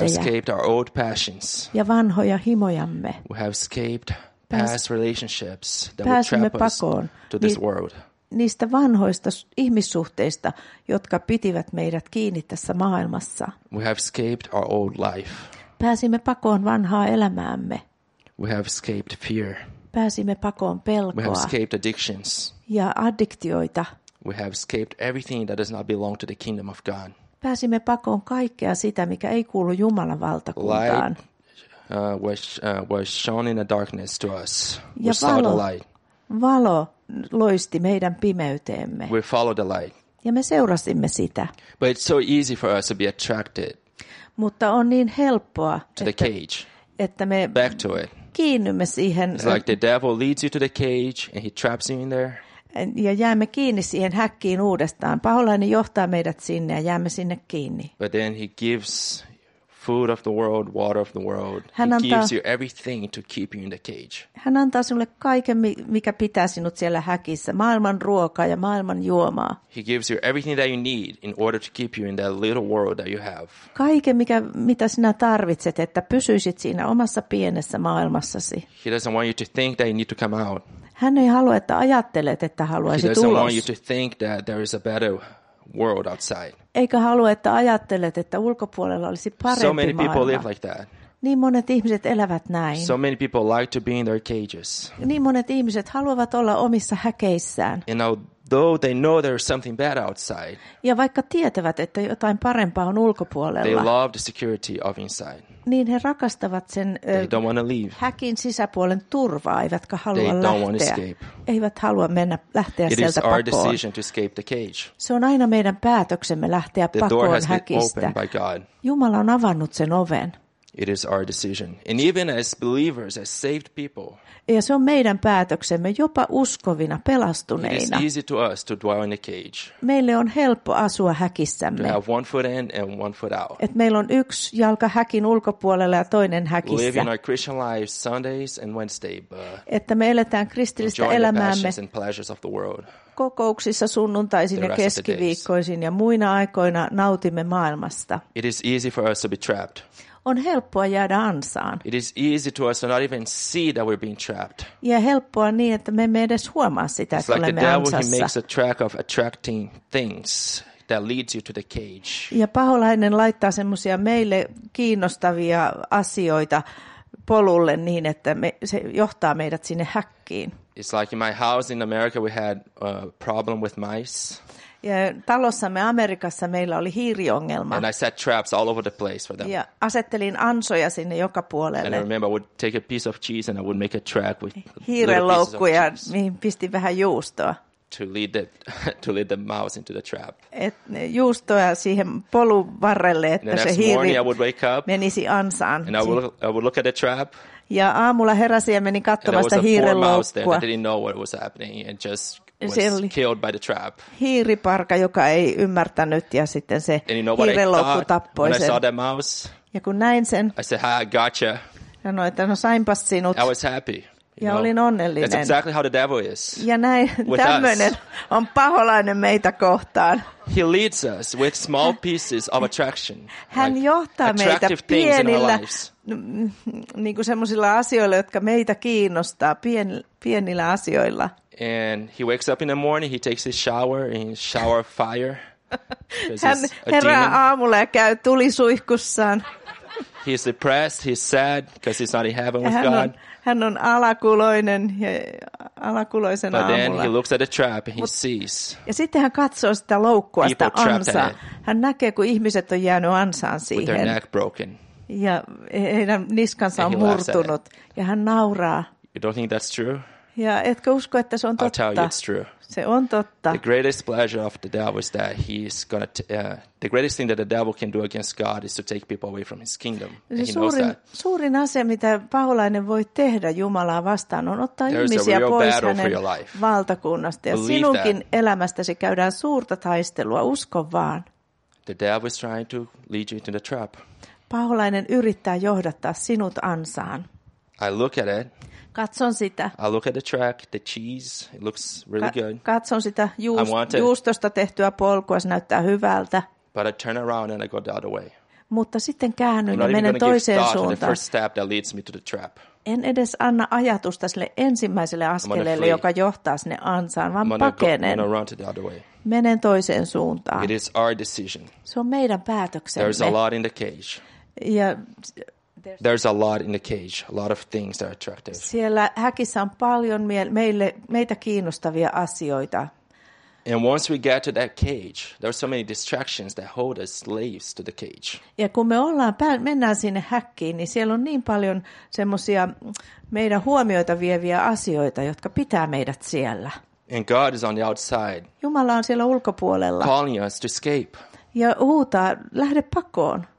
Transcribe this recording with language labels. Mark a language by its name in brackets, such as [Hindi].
[English] We have escaped our old passions. [Finnish] Ja vanhoja himojamme. [English] We have escaped past relationships that would trap us to this world. [Finnish] Niistä vanhoista ihmissuhteista, jotka pitivät meidät kiinni tässä maailmassa. [English] We have escaped our old life. [Finnish] Pääsimme pakoon vanhaa elämäämme. [English] We have escaped fear. [Finnish] Pääsimme pakoon pelkoa. [English] We have escaped addictions. [Finnish] Ja addiktioita. [English] We have escaped everything that does not belong to the kingdom of God. [Finnish] Pääsimme pakoon kaikkea sitä, mikä ei kuulu Jumalan valtakuntaan. [English] Light was shown in the darkness to us. [Finnish] Ja [English] we saw the light. [Finnish] Valo loisti meidän pimeyteemme. [English] We followed the light. [Finnish] Ja me seurasimme sitä. [English] But it's so easy for us to be attracted. [Finnish] Mutta on niin helppoa, [English] to the cage. [Finnish] Että me [English] back to it. [Finnish] Kiinnymme siihen. [English] It's like the devil leads you to the cage and he traps you in there. [Finnish] Ja jäämme kiinni siihen häkkiin uudestaan. Paholainen johtaa meidät sinne ja jäämme sinne kiinni. [English] But then he gives food of the world, water of the world. He gives you everything to keep you in the cage. [Finnish] Hän antaa sinulle kaiken, mikä pitää sinut siellä häkissä. Maailman ruokaa ja maailman juomaa. [English] He gives you everything that you need in order to keep you in that little world that you have. [Finnish] Kaiken, mitä sinä tarvitset, että pysyisit siinä omassa pienessä maailmassasi. [English] He doesn't want you to think that you need to come out. [Finnish] Hän ei halua, että ajattelet, että haluaisit ulos. [English] He doesn't want you to think that there is a better world outside. [Finnish] Eikä halua, että ajattelet, että ulkopuolella olisi parempi maailma. [English] So many people [Finnish] maailma. [English] Live like that. [Finnish] Niin monet ihmiset elävät näin. [English] So many people like to be in their cages. [Finnish] Niin monet ihmiset haluavat olla omissa häkeissään. [English] And although they know there is something bad outside. [Finnish] Ja vaikka tietävät, että jotain parempaa on ulkopuolella. [English] They love the security of inside. [Finnish] Niin he rakastavat sen häkin sisäpuolen turvaa, eivätkä halua lähteä. Eivät halua mennä lähteä [English] it [Finnish] sieltä pakoon. [English] Decision to escape the cage. [Finnish] Se on aina meidän päätöksemme lähteä [English] the [Finnish] pakoon [English] door has [Finnish] häkistä. [English] Been opened by God. [Finnish] Jumala on avannut sen oven. [English] It is our decision. And even as believers, as saved people. [Finnish] Ja se on meidän päätöksemme jopa uskovina, pelastuneina. [English] It is easy to us to dwell in a cage. [Finnish] Meille on helppo asua häkissämme. [English] To have one foot in and one foot out. [Finnish] Et meillä on yksi jalka häkin ulkopuolella ja toinen häkissä. [English] Living our Christian lives Sundays and Wednesday, but [Finnish] että me eletään kristillistä elämäämme. [English] Enjoying the passions and pleasures of the world. [Finnish] Kokouksissa sunnuntaisin ja keskiviikkoisin ja muina aikoina nautimme maailmasta. [English] It is easy for us to be trapped. [Finnish] On helppoa jäädä ansaan. [English] It is easy to us to not even see that we're being trapped. [Finnish] Ja helppoa niin, että me emme edes huomaa sitä, että olemme ansassa. [English] It's like the devil, he makes a track of attracting things that leads you to the cage. [Finnish] Ja paholainen laittaa semmoisia meille kiinnostavia asioita polulle niin, että se johtaa meidät sinne häkkiin. [English] It's like in my house in America we had a problem with mice. [Finnish] Ja talossamme Amerikassa meillä oli hiiriongelma. [English] And I set traps all over the place for them. [Finnish] Ja asettelin ansoja sinne joka puolelle. [English] And I remember I would take a piece of cheese and I would make a track with [Finnish] hiirenloukkuja, mihin pistin vähän juustoa. [English] To lead the mouse into the trap. [Finnish] Et juustoa siihen polun varrelle, että se hiiri menisi ansaan. [English] And I would look at the trap. [Finnish] Ja aamulla heräsin ja menin katsomaan sitä hiiren laukkua. [English] I didn't know what was happening and just was killed by the trap. [Finnish] Hiiriparka, joka ei ymmärtänyt, ja sitten se hiiren laukku tappoi sen. [English] When I saw that mouse, [Finnish] ja kun näin sen, [English] I said, "Ha, gotcha." [Finnish] Sanoin, että no sainpas sinut. [English] I was happy. [Finnish] Ja olin onnellinen. [English] That's exactly how the devil is. [Finnish] Ja näin tämmöinen on paholainen meitä kohtaan. [English] He leads us with small pieces of attraction. [Finnish] Hän johtaa meitä pienillä, niin kuin semmoisilla asioilla, jotka meitä kiinnostaa, pienillä asioilla. [English] And he wakes up in the morning, he takes his shower and shower fire. [Finnish] Hän herää aamulla ja käy tulisuihkussaan. He's depressed, he's sad because he's not in heaven with God. Hän on alakuloinen ja alakuloisen aamulla. [English] But then he looks at the trap and he sees. [Finnish] Ja sitten hän katsoo sitä loukkua, sitä ansaa. Hän näkee, kun ihmiset on jäänyt ansaan siihen. [English] With their neck broken. [Finnish] Ja heidän niskansa on murtunut. Ja hän nauraa. [English] You don't think that's true? [Finnish] Ja etkö usko, että se on totta? [English] I'll tell you it's true. [Finnish] Se on totta. [English] The greatest pleasure of the devil is that he's gonna the greatest thing that the devil can do against God is to take people away from his kingdom. And [Finnish] suurin, [English] he knows that. [Finnish] Suurin asia, mitä paholainen voi tehdä Jumalaa vastaan, on ottaa [English] there's [Finnish] ihmisiä pois hänen valtakunnasta. Ja sinunkin elämästäsi käydään suurta taistelua, usko vaan. [English] The devil is trying to lead you into the trap. [Finnish] Paholainen yrittää johdattaa sinut ansaan. [English] I look at it. [Finnish] Katson sitä. [English] I look at the track, the cheese, it looks really good. [Finnish] Katson sitä juustosta tehtyä polkua, se näyttää hyvältä. [English] But I turn around and I go the other way. [Finnish] Mutta sitten käännyn ja menen toiseen suuntaan. [English] I'm not even gonna give thought to the first step that leads me to the trap. [Finnish] En edes anna ajatusta sille ensimmäiselle askeleelle, joka johtaa sinne ansaan, vaan pakenen. [English] I'm gonna run to the other way. [Finnish] Menen toiseen suuntaan. [English] It is our decision. [Finnish] Se on meidän päätöksemme. [English] There's a lot in the cage. [Finnish] Ja [English] there's a lot in the cage, a lot of things that are attractive. [Finnish] Siellä häkissä on paljon meitä kiinnostavia asioita. [English] And once we get to that cage, there are so many distractions that hold us slaves to the cage. [Finnish] Ja kun me mennään sinne häkkiin, niin siellä on niin paljon semmoisia meidän huomioita vieviä asioita, jotka pitää meidät siellä. [English] And God is on the outside. [Finnish] Jumala on siellä ulkopuolella. [English] Calling us to escape. [Finnish] Ja huutaa, lähde pakoon.